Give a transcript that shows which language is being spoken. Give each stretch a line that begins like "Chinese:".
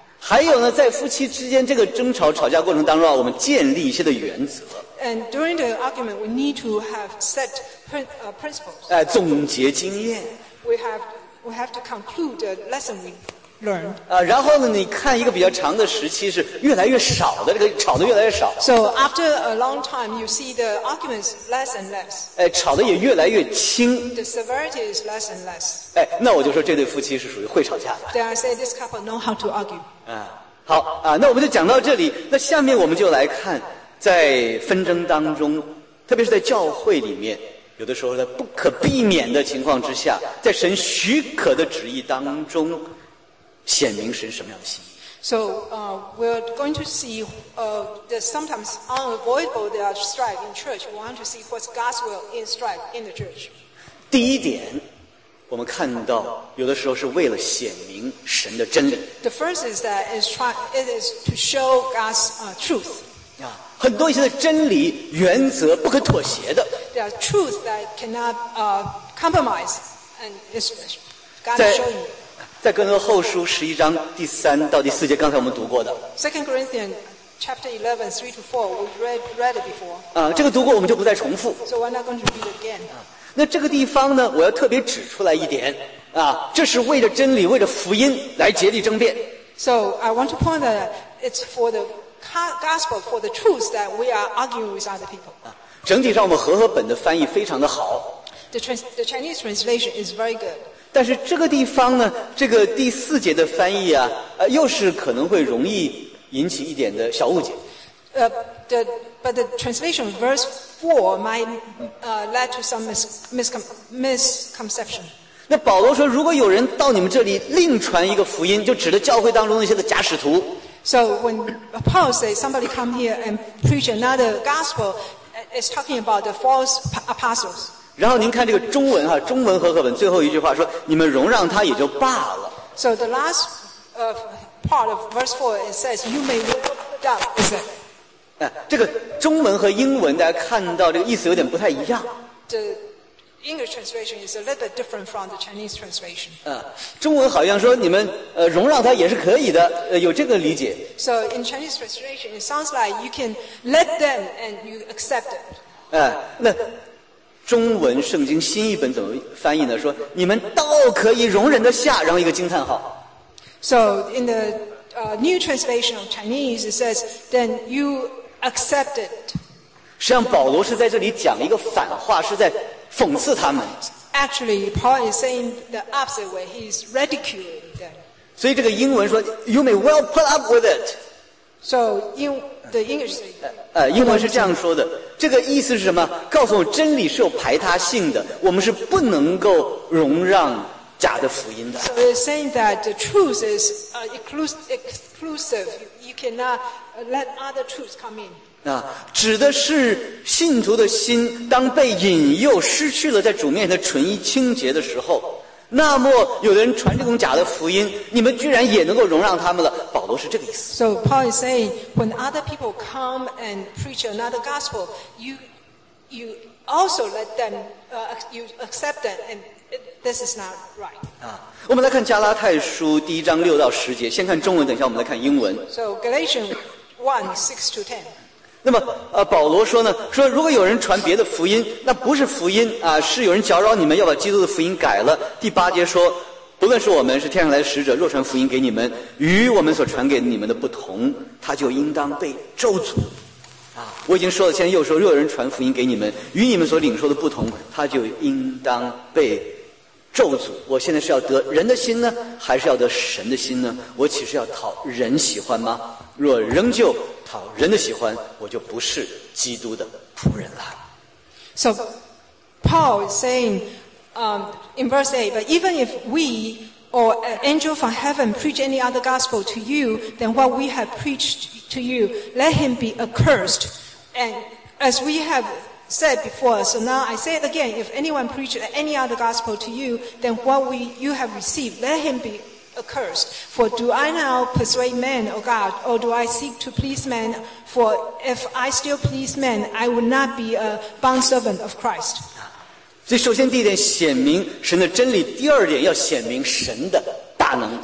Chinese: 还有呢，在夫妻之间这个争吵吵架过程当中，我们建立一些的原则。
English: And during the argument, we need to have set principles.
Chinese: 总结经验。
English: We have to conclude the lesson we learned.
Chinese: 然后呢，你看一个比较长的时期是越来越少的，这个吵得越来越少。
English: So after a long time, you see the arguments less and less.
Chinese: 吵得也越来越轻。
English: The severity is less and less.
Chinese: 那我就说这对夫妻是属于会吵架的。
English: Then I say this couple know how to argue.
Chinese: 好啊，那我们就讲到这里。那下面我们就来看。在纷争当中，特别是在教会里面，有的时候在不可避免的情况之下，在神许可的旨意当中，显明神什么样的心意。
English: So we're going to see the sometimes unavoidable there are strife in church. We want to see what's God's will in strife in the church.
Chinese: 第一点，我们看到有的时候是为了显明神的真理。
English: The first is that it is to show God's truth. Yeah.
Chinese: 很多一些的真理原则不可妥协的。
English: There are truths that cannot compromise, and it's God showing you.
Chinese: 在哥罗后书十一章第三到第四节，刚才我们读过的。
English: Second Corinthians chapter 11, 3 to 4, we read it before.
Chinese: 这个读过我们就不再重复。
English: So we're not going to read it again.
Chinese: 那这个地方呢，我要特别指出来一点啊，这是为了真理，为了福音来竭力争辩。
English: So I want to point that it's for the. Gospel for the truth that we are arguing with other people.
Chinese: 整体上我们和合本的翻译非常的好。
English: The Chinese translation is very good.
Chinese: 但是这个地方呢，这个第四节的翻译啊，又是可能会容易引起一点的小误解。
English: But the translation verse 4 might lead to some misconception.
Chinese: 那保罗说，如果有人到你们这里另传一个福音，就指着教会当中那些个假使徒。
English: So when Paul says somebody come here and preach another gospel, it's talking about the false apostles.
Chinese: 然后您看这个中文哈，中文和合本最后一句话说，你们容让他也就罢了。
English: So the last part of verse 4, it says, you may look up, is it?
Chinese: 这个中文和英文大家看到这个意思有点不太一样。
English: The English translation is a little bit different from the Chinese translation.
Chinese: 中文好像说你们容让他也是可以的，有这个理解。
English: So in Chinese translation, it sounds like you can let them and you accept it.
Chinese: 那中文圣经新译本怎么翻译呢？说你们倒可以容忍得下，然后一个惊叹号。
English: So in the new translation of Chinese, it says, "Then you accept it."
Chinese: 实际上，保罗是在这里讲一个反话，是在讽刺他们。
English: Actually, Paul is saying the opposite way. He's ridiculing them.
Chinese: 所以这个英文说
English: "You may well put up with it." So in the English.
Chinese: 英文是这样说的。这个意思是什么？告诉我，真理是有排他性的，我们是不能够容让假的福音的。
English: So it's saying that the truth is exclusive. You cannot let other truths come in.
Chinese: 指的是信徒的心，当被引诱，失去了在主面前的纯一清洁的时候，那么有的人传这种假的福音，你们居然也能够容让他们了。保罗是这个意思。
English: So Paul is saying, when other people come and preach another gospel, you also let them, you accept them, and this is not right.
Chinese: 我们来看加拉太书第一章六到十节，先看中文，等一下我们来看英文。
English: So Galatians 1:6-10.
Chinese: 那么保罗说呢，说如果有人传别的福音，那不是福音啊，是有人搅扰你们，要把基督的福音改了。第八节说，不论是我们是天上来的使者，若传福音给你们与我们所传给你们的不同，他就应当被咒诅啊。我已经说了，现在又说，若有人传福音给你们与你们所领受的不同，他就应当被咒诅。我现在是要得人的心呢，还是要得神的心呢？我岂是要讨人喜欢吗？若仍旧讨人的喜欢，我就不是基督的仆人了。
English: So Paul is saying, in verse 8, but even if we or an angel from heaven preach any other gospel to you than what we have preached to you, let him be accursed. And as we have said before, so now I say it again, if anyone preaches any other gospel to you than what you have received, let him be accursed. Accursed. For do I now persuade men, O God, or do I seek to please men? For if I still please men, I would not be a bondservant of Christ.
Chinese: 所以首先第一点显明神的真理，第二点要显明神的大能。